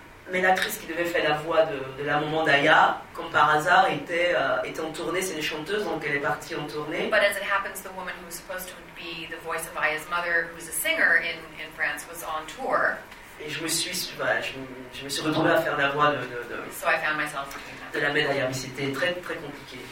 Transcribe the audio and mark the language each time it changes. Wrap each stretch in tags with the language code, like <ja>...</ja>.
<fr>Mais l'actrice qui devait faire la voix de la maman d'Aya, comme par hasard, était en tournée, c'est une chanteuse, donc elle est partie en tournée.</fr> <en>But as it happens, the woman who was supposed to be the voice of Aya's mother, who's a singer in France, was on tour.</en> <fr>Et je me suis retrouvée à faire la voix de</fr> <en>so I found myself doing that.</en> <fr>De la mère d'Aya, mais c'était très très compliqué.</fr>